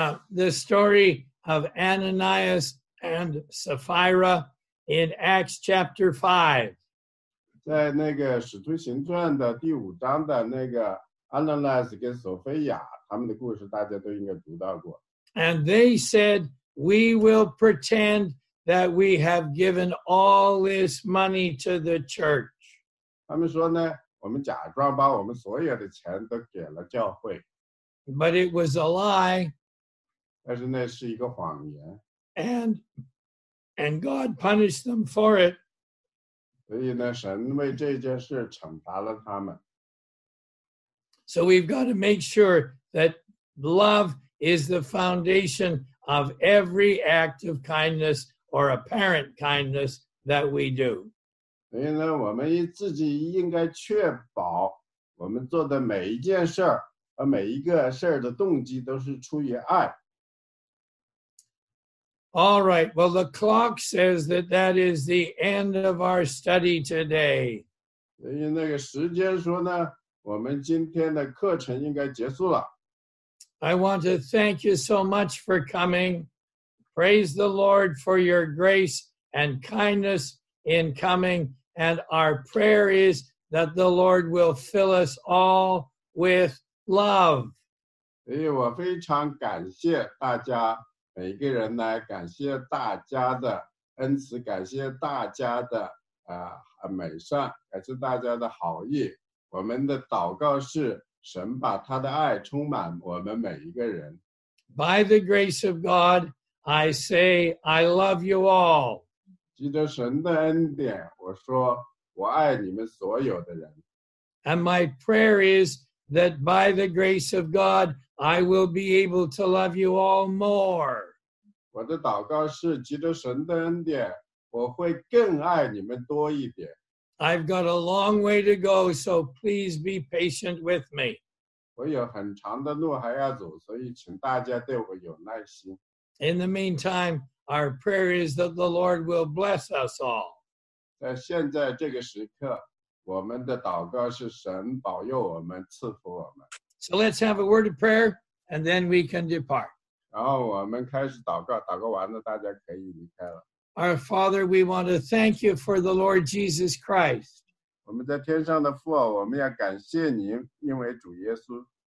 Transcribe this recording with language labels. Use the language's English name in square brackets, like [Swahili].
[English] The story of Ananias and Sapphira in Acts chapter 5. [Chinese] 在那个《使徒行传》的第五章的那个 Ananias 跟索菲亚他们的故事大家都应该读到过。 [English] And they said, we will pretend that we have given all this money to the church. [Chinese] 他们说呢，我们假装把我们所有的钱都给了教会。 [English] But it was a lie. [Chinese] 但是那是一个谎言。 [English] And God punished them for it. [Chinese] 所以呢，神为这件事惩罚了他们。 [English] So we've got to make sure that love is the foundation of every act of kindness or apparent kindness that we do. [Chinese] 所以呢，我们自己应该确保我们做的每一件事儿和每一个事儿的动机都是出于爱。 [English] All right. Well, the clock says that that is the end of our study today. [Chinese] 所以那个时间说呢，我们今天的课程应该结束了。 [English] I want to thank you so much for coming. Praise the Lord for your grace and kindness. In coming, and our prayer is that the Lord will fill us all with love. [Chinese] 所以我非常感谢大家，每个人呢，感谢大家的恩慈，感谢大家的美善，感谢大家的好意。我们的祷告是神把他的爱充满我们每一个人。 [English] By the grace of God, I say I love you all. [Chinese] 记得神的恩典，我说我爱你们所有的人。 [English] And my prayer is that by the grace of God, I will be able to love you all more. [Chinese] 我的祷告是，记得神的恩典，我会更爱你们多一点。 [English] I've got a long way to go, so please be patient with me. [Chinese] 我有很长的路还要走，所以请大家对我有耐心。 [English] In the meantime,Our prayer is that the Lord will bless us all. [Chinese] 在现在这个时刻，我们的祷告是神保佑我们，赐福我们。 [English] So let's have a word of prayer, and then we can depart. [Chinese] 然后我们开始祷告，祷告完了大家可以离开了。 [English] Our Father, we want to thank you for the Lord Jesus Christ. [Chinese] 我们在天上的父，我们要感谢您，因为主耶稣。